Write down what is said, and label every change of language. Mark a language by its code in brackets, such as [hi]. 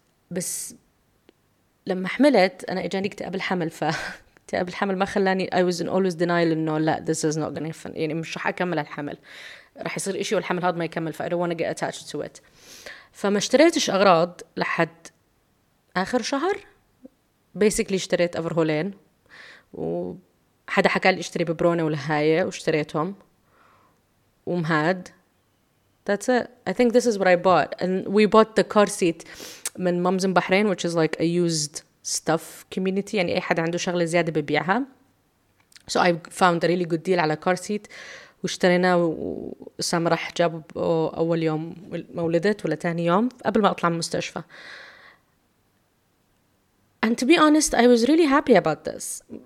[ar] بس لما حملت أنا إجاني اكتئاب الحمل, فاكتئاب الحمل ما خلاني [en] I was in always denial [ar] إنه لا [en] this is not gonna happen, [ar] يعني مش رح أكمل الحمل, رح يصير إشي والحمل هذا ما يكمل, ف [en] I don't wanna get attached to it. [ar] فما اشتريتش أغراض لحد آخر شهر. بيسيكلي اشتريت أفرهولين, وحدا حكى لي اشتري ببرونة ولهاية واشتريتهم ومهاد. [en] That's it. I think this is what I bought. And we bought the car seat [ar] من مامز بحرين, [en] which is like a used stuff community. [ar] يعني أي حد عنده شغلة زيادة ببيعها. [en] So I found a really good deal [ar] على [en] car seat. [ar] واشترينا, وسام راح جاب أول يوم مولدت ولا تاني يوم قبل ما أطلع من المستشفى. [en] And to be honest, I was really happy about this.